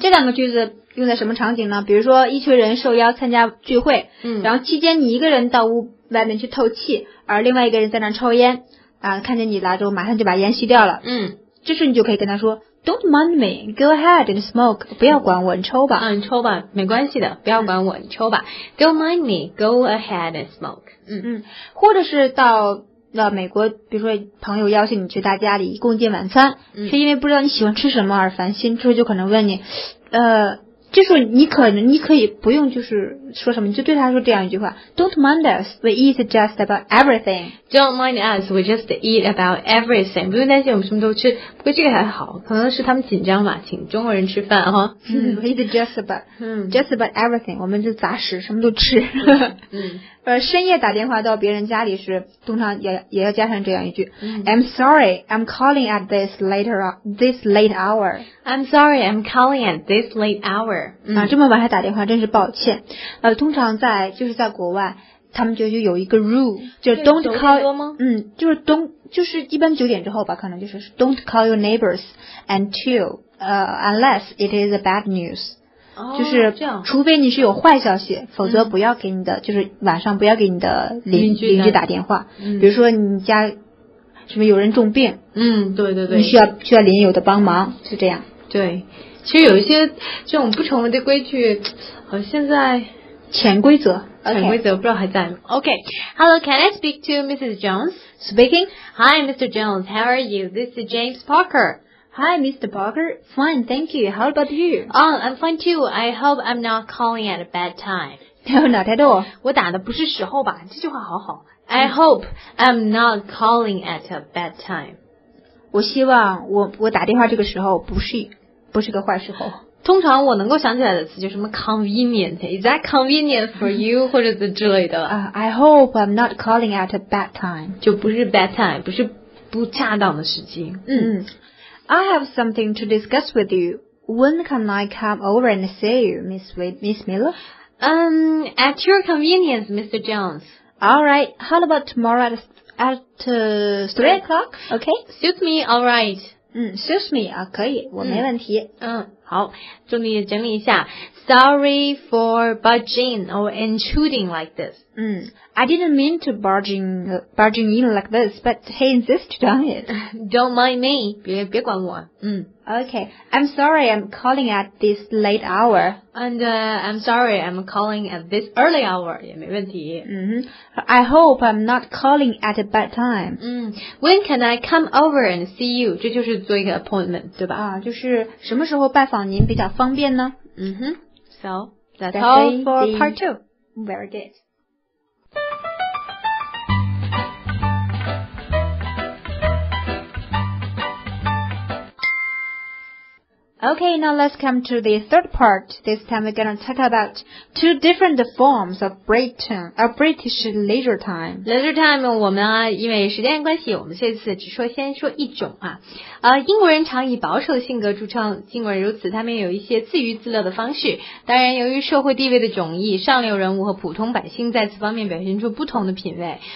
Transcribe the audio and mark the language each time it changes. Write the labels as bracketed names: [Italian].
[Chinese] 这两个句子用在什么场景呢？比如说一群人受邀参加聚会，然后期间你一个人到屋外面去透气，而另外一个人在那抽烟，看见你来之后马上就把烟吸掉了。这时你就可以跟他说 [English] Don't mind me, go ahead and smoke, [Chinese] 不要管我，你抽吧。你抽吧，没关系的，不要管我，你抽吧。 [English] Don't mind me, go ahead and smoke. [Chinese] 或者是到了美国，比如说朋友邀请你去大家里共进晚餐，却因为不知道你喜欢吃什么而烦心，这时候就可能问你，这时候你可以不用就是说什么，你就对他说这样一句话 [English] Don't mind us, we eat just about everything. Don't mind us, we just eat about everything. [Chinese] 不用担心我们什么都吃，不过这个还好，可能是他们紧张嘛，请中国人吃饭哈。 [English] We eat just about everything, [Chinese] 我们就杂食什么都吃。深夜打电话到别人家里时，通常也要加上这样一句 [English] I'm sorry, I'm calling at this late hour. I'm sorry, I'm calling at this late hour. [Chinese] 这么晚还打电话真是抱歉。通常在就是在国外他们就有一个 rule, 就是 [English] don't call, 就是一般九点之后吧，可能就是 don't call your neighbors unless it is a bad news. [Chinese] 就是除非你是有坏消息，否则不要给你的就是晚上不要给你的邻居打电话。比如说你家什么有人重病，对对对，你需要邻友的帮忙，是这样。对，其实有一些这种不成文的规矩，现在潜规则。潜规则不知道还在吗 [English] ？OK, Hello, can I speak to Mrs. Jones? Speaking. Hi, Mr. Jones. How are you? This is James Parker. Hi, Mr. Parker. Fine, thank you. How about you? Oh, I'm fine too. I hope I'm not calling at a bad time. No, not at all. [Chinese] 我打的不是时候吧？这句话好好。 [English] I hope I'm not calling at a bad time. [Chinese] 我希望我打电话这个时候不是个坏时候。通常我能够想起来的词就是什么 convenient. [English] Is that convenient for you? [Chinese] 或者是之类的。 [English] I hope I'm not calling at a bad time. [Chinese] 就不是 bad time, 不是不恰当的时机。 [English] I have something to discuss with you. When can I come over and see you, Miss Miller? At your convenience, Mr. Jones. All right. How about tomorrow at 3 o'clock? Okay. Suits me. All right. Suits me. [Chinese] 可以，我没问题。好，祝你整理一下。 [English] Sorry for barging or intruding like this. I didn't mean to barging in like this, but he insisted on it. Don't mind me. [Chinese] 别管我。 [English] Okay. I'm sorry I'm calling at this late hour. And I'm sorry I'm calling at this early hour. [Chinese] 也没问题。 [English] I hope I'm not calling at a bad time. When can I come over and see you? [Chinese] 这就是做一个 appointment, 对吧？就是什么时候拜访您比较方便呢？ [English] So, that's all for part two. Very good. Okay, now let's come to the third part. This time we're going to talk about two different forms of British leisure time. [Chinese] Leisure time, 我们因为时间关系，我们这次只说先说一种啊。英国人常以保守性格著称，尽管如此，他们也有一些自娱自乐的方式。当然，由于社会地位的迥异，上流人物和普通百姓在此方面表现出不同的品味。